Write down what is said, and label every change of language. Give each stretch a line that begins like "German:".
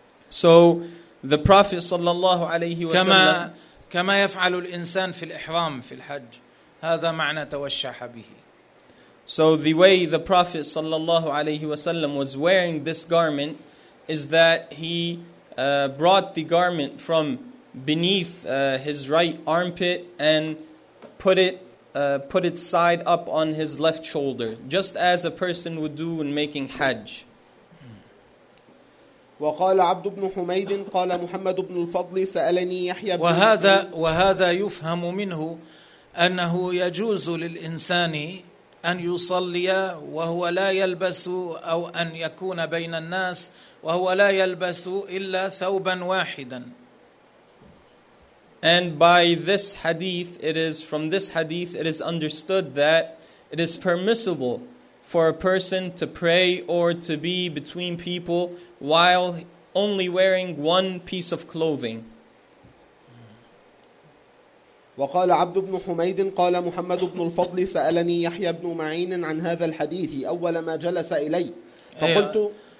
English: So the Prophet
Arabic: صلى الله عليه وسلم كما يفعل الإنسان في الإحرام في الحج، هذا معنى توشح به.
English: So the way the Prophet sallallahu alayhi wasallam was wearing this garment is that he brought the garment from beneath his right armpit and put its side up on his left shoulder, just as a person would do when making Hajj.
Arabic: وقال عبد بن حميد قال محمد بن الفضل سألني يحيى بن وهذا يفهم منه أنه يجوز للإنسان أن يصلي وهو لا يلبس، أو أن يكون بين الناس وهو لا يلبس إلا ثوبا واحدا.
English: And by this hadith, it is understood that it is permissible for a person to pray or to be between people while only wearing one piece of clothing.
Arabic: وقال عبد بن حميد قال محمد بن الفضل سألني يحيى بن معين عن هذا الحديث أول ما جلس إلي فقلت